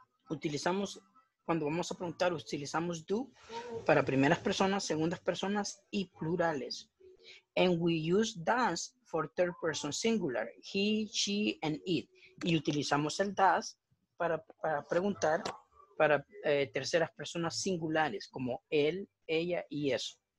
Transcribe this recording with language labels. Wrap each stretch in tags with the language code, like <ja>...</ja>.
<es>Utilizamos, cuando vamos a preguntar, utilizamos do para primeras personas, segundas personas y plurales.</es> <en>And we use does for third person singular, he, she, and it.</en> <es>Y utilizamos el does para preguntar para terceras personas singulares, como él, ella y eso.</es>